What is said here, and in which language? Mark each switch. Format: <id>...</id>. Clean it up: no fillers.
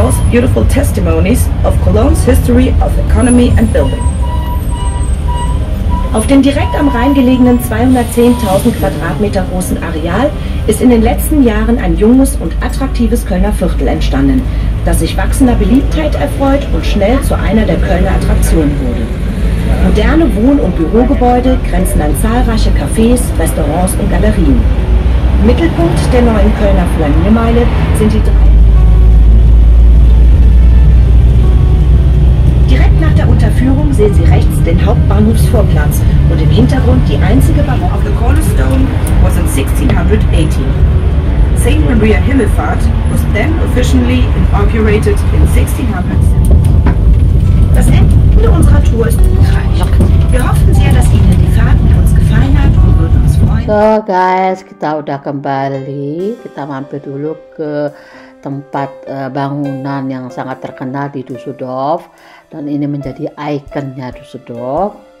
<en>Beautiful testimonies of Cologne's history of economy and building.</en> <de>Auf dem direkt am Rhein gelegenen 210.000 Quadratmeter großen Areal ist in den letzten Jahren ein junges und attraktives Kölner Viertel entstanden, das sich wachsender Beliebtheit erfreut und schnell zu einer der Kölner Attraktionen wurde. Moderne Wohn- und Bürogebäude grenzen an zahlreiche Cafés, Restaurants und Galerien. Mittelpunkt der neuen Kölner Flaniermeile sind die drei. Führung sehen Sie rechts den Hauptbahnhofsvorplatz und im Hintergrund die einzige Barock</de> <en>of the cornerstone was in 1618. Saint Maria Himmelfahrt was then officially inaugurated in 1600.</en> <de>Das Ende unserer Tour ist erreicht. Wir hoffen sehr, dass Ihnen die Fahrt mit uns gefallen hat und würden uns freuen.</de> <id>So guys, kita udah kembali. Kita mampir dulu ke tempat bangunan yang sangat terkenal di Düsseldorf dan ini menjadi ikonnya Düsseldorf.</id>